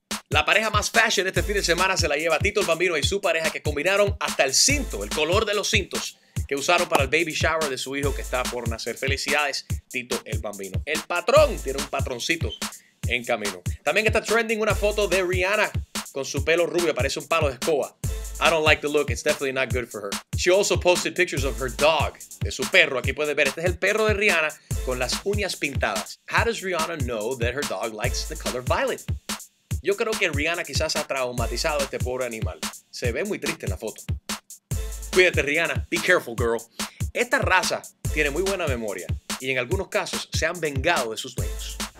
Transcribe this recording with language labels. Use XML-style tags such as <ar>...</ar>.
<es>La pareja más fashion este fin de semana se la lleva Tito el Bambino y su pareja, que combinaron hasta el cinto, el color de los cintos que usaron para el baby shower de su hijo que está por nacer. Felicidades, Tito el Bambino. El patrón tiene un patroncito en camino. También está trending una foto de Rihanna con su pelo rubio, parece un palo de escoba.</es> <en>I don't like the look, it's definitely not good for her. She also posted pictures of her dog,</en> <es>de su perro. Aquí puede ver, este es el perro de Rihanna con las uñas pintadas.</es> <en>How does Rihanna know that her dog likes the color violet?</en> <es>Yo creo que Rihanna quizás ha traumatizado a este pobre animal. Se ve muy triste en la foto. Cuídate, Rihanna.</es> <en>Be careful, girl.</en> <es>Esta raza tiene muy buena memoria y en algunos casos se han vengado de sus dueños.</es>